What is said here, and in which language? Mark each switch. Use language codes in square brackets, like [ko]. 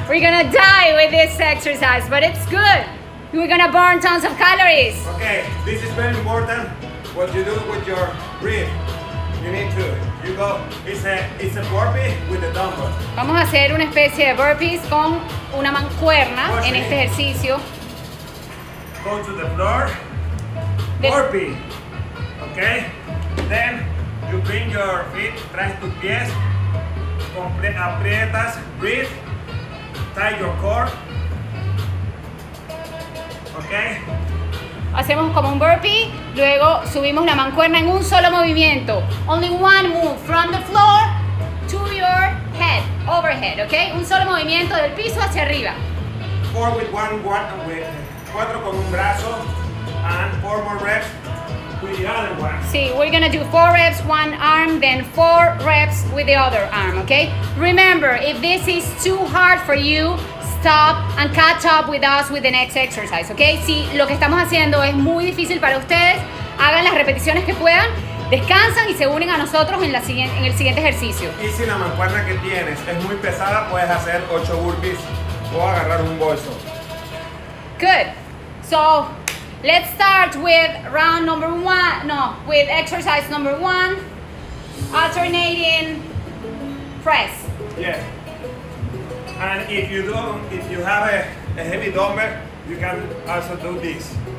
[en] We're gonna die with this exercise, but it's good. We're gonna burn tons of calories. Okay, this is very important, what you do with your breath. You need to, you go, it's a burpee with a dumbbell. [es] Vamos a hacer una especie de burpees con una mancuerna en este ejercicio. [en] Go to the floor, burpee, okay? Then, you bring your feet, [es] traes tus pies, aprietas, [en] breathe, tie your core, okay? [es] Hacemos como un burpee, luego subimos la mancuerna en un solo movimiento. [en] Only one move, from the floor to your head, overhead, okay? [es] Un solo movimiento del piso hacia arriba. 4 con un brazo, [en] and 4 more reps. With the other one. See, we're gonna do 4 reps one arm, then 4 reps with the other arm, okay? Remember, if this is too hard for you, stop and catch up with us with the next exercise, okay? [es] Si lo que estamos haciendo es muy difícil para ustedes, hagan las repeticiones que puedan, descansan y se unen a nosotros en el siguiente ejercicio. Y si la mancuerna que tienes es muy pesada, puedes hacer 8 burpees o agarrar un bolso. [en] Good. So, let's start with round number one, no, with exercise number one, alternating press. Yeah. And if you don't, if you have a heavy dumbbell, you can also do this.